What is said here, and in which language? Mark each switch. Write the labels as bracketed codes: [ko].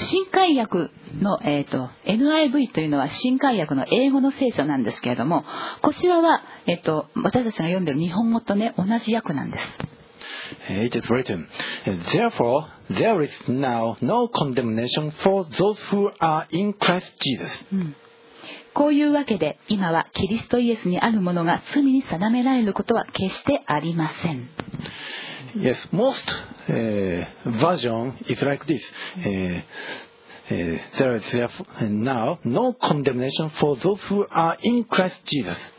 [ja] 新改訳の、NIV というのは新改訳の英語の聖書なんですけれども、こちらは、私たちが読んでいる日本語と、ね、同じ訳なんです。 [en] It is written, Therefore, there is now no condemnation for those who are in Christ Jesus.、うん、 [ja] こういうわけで今はキリストイエスにあるものが罪に定められることは決してありません。 [en] Yes, most、version is like this、there is now no condemnation for those who are in Christ Jesus、